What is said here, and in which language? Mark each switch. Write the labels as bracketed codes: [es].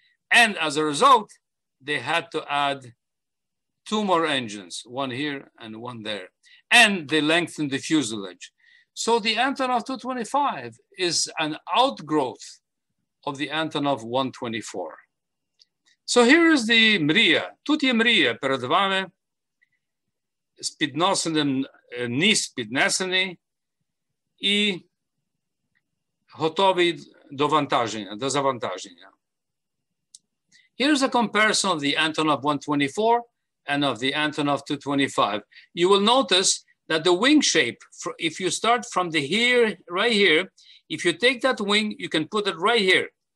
[en] And as a result, they had to add two more engines, one here and one there. And they lengthened the fuselage. So the Antonov 225 is an outgrowth of the Antonov 124. So here is the Mria. [uk] Тут є Мрія перед вами, з підносеним, ніс піднесений і готовий до вантаження, до завантаження. [en] Here's a comparison of the Antonov 124 and of the Antonov 225. You will notice that the wing shape, if you start from the here, right here, if you take that wing, you can put it right here.